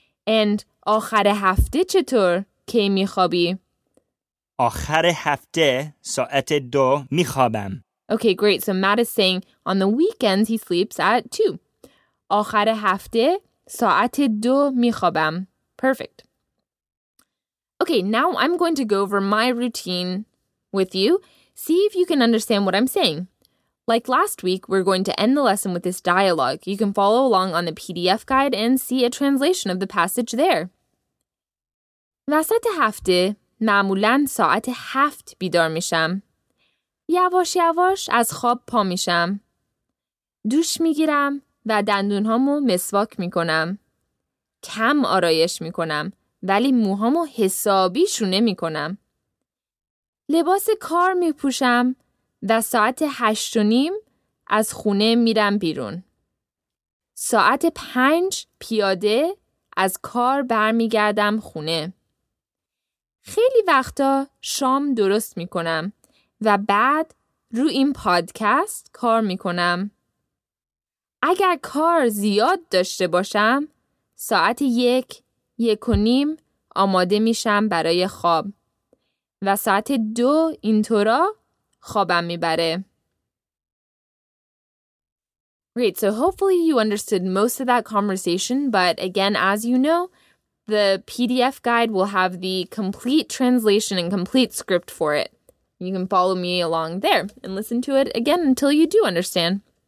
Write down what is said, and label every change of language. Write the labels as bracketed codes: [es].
[fa] And آخر هفته چطور که میخوابی؟ آخر هفته ساعت دو میخوابم. [en] Okay, great. So Matt is saying on the weekends he sleeps at 2. [fa] آخر هفته ساعت دو میخوابم. [en] Perfect. Okay, now I'm going to go over my routine with you. See if you can understand what I'm saying. Like last week, we're going to end the lesson with this dialogue. You can follow along on the PDF guide and see a translation of the passage there. [fa] وسط هفته معمولاً ساعت هفت بیدار میشم. یواش یواش از خواب پا میشم. دوش میگیرم و دندونهامو مسواک میکنم. کم آرایش میکنم ولی موهامو حسابی شونه میکنم. لباس کار میپوشم و ساعت 8:30 از خونه میرم بیرون. ساعت 5 پیاده از کار برمیگردم خونه. خیلی وقتا شام درست میکنم و بعد رو این پادکست کار میکنم. اگر کار زیاد داشته باشم، ساعت 1:30 آماده میشم برای خواب و ساعت 2 اینطورا خوابم میبره. [en] Great, so hopefully you understood most of that conversation, but again, as you know, the PDF guide will have the complete translation and complete script for it. You can follow me along there and listen to it again until you do understand.